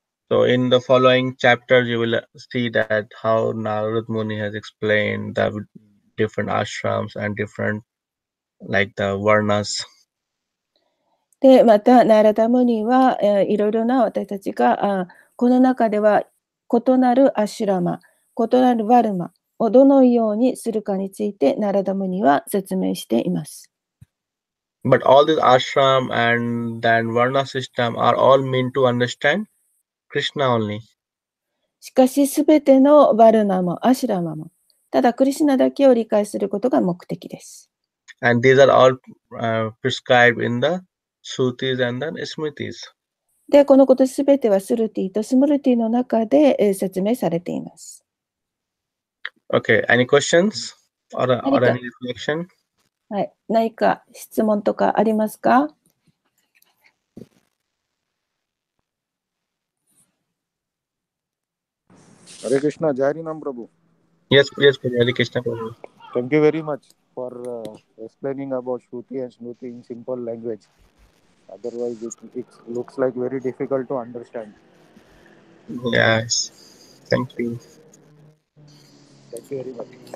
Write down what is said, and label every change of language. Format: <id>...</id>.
<en>So in the following chapter, you will see that how Narad Muni has explained the different ashrams and different, like the varnas.</en> <ja>で、また、ナラダムニは、いろいろな私たちが、この中では異なるアシュラマ、異なるワルマ、をどのようにするかについてナラダムニは説明しています。</ja> <en>But all this ashram and then varna system are all meant to understand Krishna only.</en> <ja>しかしすべてのバルナもアシュラマもただクリシナだけを理解することが目的です。</ja> <en>And these are all prescribed in the Sutis and the Smritis.</en> <ja>で、このことすべてはスルティとスムルティの中で説明されています。</ja> <en>Okay, any questions or any reflection?</en> <ja>はい、何か質問とかありますか？</ja> <sa>ハレクリシュナ、ジャイハリナム、プラブ。</sa> <en>Yes, yes, ハレクリシュナ、プラブ。 Thank you very much for explaining about Shruti and Smriti in simple language. Otherwise, it looks like very difficult to understand. Yes, thank you. Thank you very much.</en>